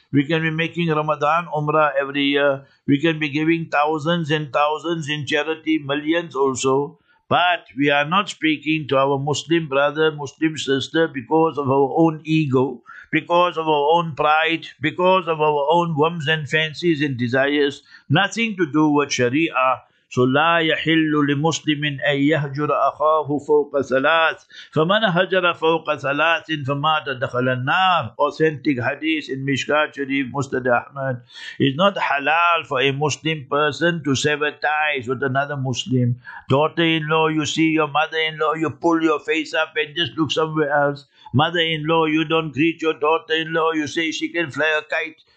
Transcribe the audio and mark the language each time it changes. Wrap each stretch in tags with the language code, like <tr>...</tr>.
<en>We can be making Ramadan Umrah every year. We can be giving thousands and thousands in charity, millions also. But we are not speaking to our Muslim brother, Muslim sister, because of our own ego, because of our own pride, because of our own whims and fancies and desires. Nothing to do with Sharia.</en> <ar>So لا يحل لمسلم أن يهجر أخاه فوق ثلاث فمن هجر فوق ثلاث فمات دخل النار.</ar> <en>Authentic hadith in Mishkat Sharif, Musnad Ahmad. It's not halal for a Muslim person to sever ties with another Muslim. Daughter-in-law, you see your mother-in-law, you pull your face up and just look somewhere else. Mother-in-law, you don't greet your daughter-in-law, you say she can fly a kite.</en>